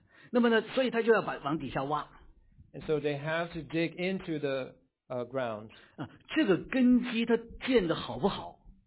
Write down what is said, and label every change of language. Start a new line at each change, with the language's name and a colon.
Chinese: 那么呢，所以他就要把往底下挖。
English: And so they have to dig into the ground.
Chinese: 啊，这个根基它建的好不好